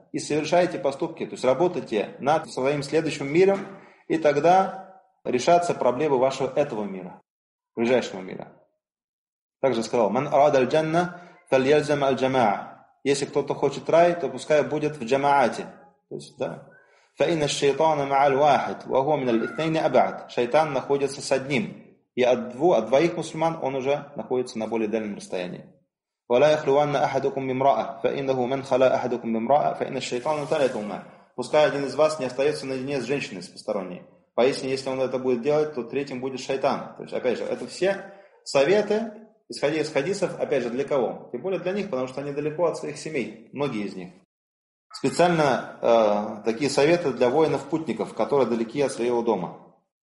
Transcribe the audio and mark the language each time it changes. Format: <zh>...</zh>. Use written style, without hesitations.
<ru>И совершайте поступки, то есть работайте над своим следующим миром, и тогда решатся проблемы вашего этого мира, ближайшего мира. Также сказал:</ru> <ar>«Ман арада аль-джанна фальязама аль-джама'а».</ar> <ru>Если кто-то хочет рай, то пускай будет в джама'ате. То есть, да.</ru> <ar>فإن الشيطان مع الواحد وهو من الاثنين أبعد.</ar> <ru>Шайтан находится с одним, и от двоих мусульман он уже находится на более дальнем расстоянии.</ru> <ar>ولا يخلوان أحدكم بامرأة فإنه من خلا أحدكم بامرأة فإن الشيطان ثالثهما.</ar> <ru>Пускай один из вас не остается наедине с женщиной, с посторонней. Поистине, если он это будет делать, то третьим будет шайтан. То есть, опять же, это все советы, исходя из хадисов, опять же, для кого? Тем более для них, потому что они далеко от своих семей, многие из них. Специально такие советы для воинов-путников, которые далеки от своего дома.</ru>